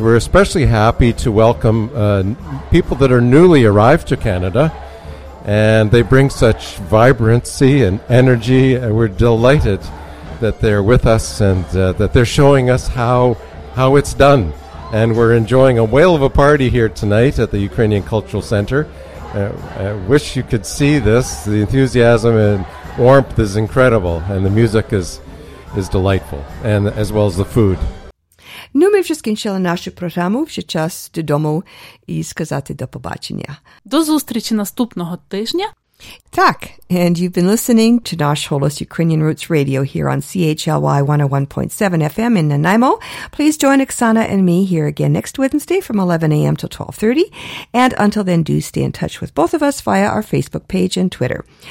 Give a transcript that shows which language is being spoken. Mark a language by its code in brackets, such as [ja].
[en] We're especially happy to welcome people that are newly arrived to Canada, and they bring such vibrancy and energy, and we're delighted that they're with us and that they're showing us how it's done. And we're enjoying a whale of a party here tonight at the Ukrainian Cultural Center. I wish you could see this. The enthusiasm and warmth is incredible, and the music is delightful, and as well as the food. [uk] Ну, ми вже скінчили нашу програму. Вже час додому і сказати до побачення. До зустрічі наступного тижня. [en] Так, and you've been listening to Nash Holos Ukrainian Roots Radio here on CHLY 101.7 FM in Nanaimo. Please join Oksana and me here again next Wednesday from 11 a.m. till 12:30. And until then, do stay in touch with both of us via our Facebook page and Twitter.